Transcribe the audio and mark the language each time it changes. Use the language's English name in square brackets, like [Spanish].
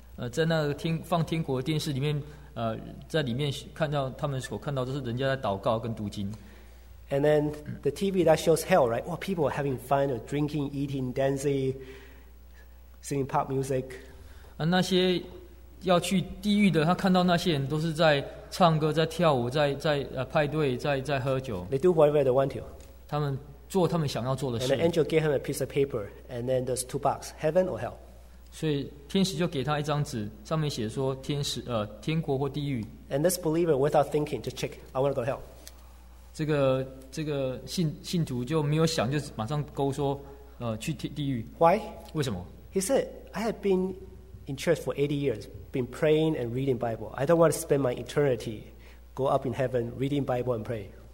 [Chinese] 在那个放天国的电视里面, 在里面看到他们所看到的是人家在祷告跟读经。 [English] And then the TV that shows hell, right? Well, people are having fun, or drinking, eating, dancing, singing pop music. [Chinese] 那些 要去地狱的，他看到那些人都是在唱歌、在跳舞、在派对、在喝酒。 [English] They do whatever they want to. [Chinese] 他们做他们想要做的事。 [English] And the angel gave him a piece of paper, and then there's two boxes: heaven or hell. [Chinese] 所以天使就给他一张纸，上面写说天国或地狱。 [English] And this believer, without thinking, just check. I want to go to hell. [Chinese] 这个信徒就没有想，就马上勾说，去地狱。 [English] Why? [Chinese] 为什么？ [English] He said, I have been in church for 80 years. Been praying and reading Bible. I don't want to spend my eternity go up in heaven reading Bible and pray.